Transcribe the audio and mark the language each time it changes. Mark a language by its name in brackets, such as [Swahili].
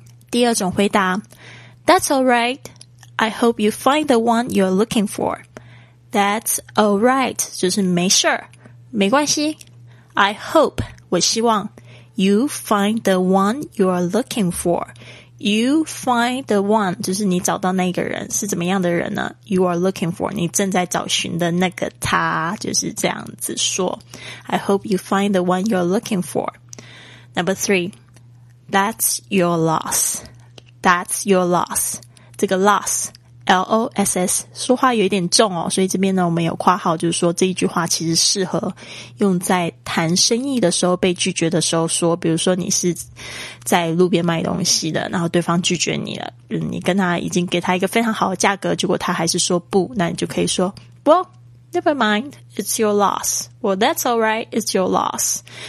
[Chinese] 第二种回答 [English] That's alright I hope you find the one you're looking for That's alright [Chinese] 就是没事没关系 [English] I hope [Chinese] 我希望 [English] You find the one you're looking forfor. You find the one, [Chinese] 就是你找到那个人是怎么样的人呢 ? [English] You are looking for, [Chinese] 你正在找寻的那个他就是这样子说。 [English] I hope you find the one you're looking for. Number three, that's your loss. That's your loss. [Chinese] 这个 loss, L-O-S-S, 说话有一点重哦所以这边呢我们有括号就是说这一句话其实适合用在谈生意的时候被拒绝的时候说比如说你是在路边卖东西的然后对方拒绝你了你跟他已经给他一个非常好的价格结果他还是说不那你就可以说 [English] Well, never mind, it's your loss [Chinese] Well, that's alright, it's your loss